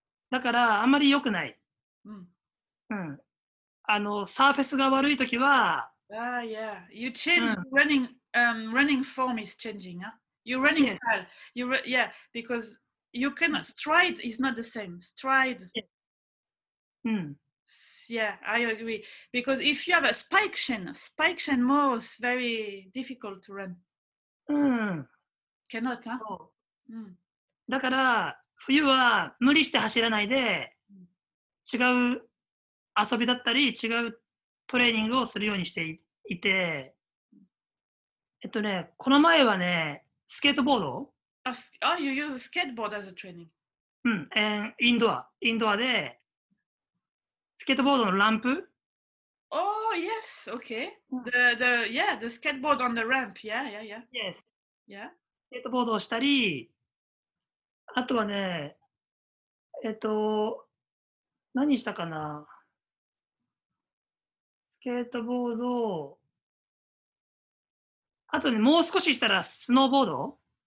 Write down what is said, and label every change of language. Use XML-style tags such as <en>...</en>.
<ja>だからあんまり良くない。サーフェスが悪いときは、</ja> <en>yeah. You change running, running form is changing, huh? Your running style. Yes. Yeah, because you cannot, stride is not the same. Stride. Yeah, I agree. Because if you have a spike chain more is very difficult to run. Cannot, huh?</en> <ja>だから冬は無理して走らないで違う遊びだったり違うトレーニングをするようにしていて、この前はね、スケートボード</ja> <en>を、Oh, you use a skateboard as a training.</en> <ja>うん、and インドアで、スケートボードのランプ。</ja> <en>Oh, yes, okay. The skateboard on the ramp, yeah. Yes. Yeah.</en> <ja>スケートボードをしたり、あとはね、何したかな、スケートボード、あとね、もう少ししたらスノーボード、</ja>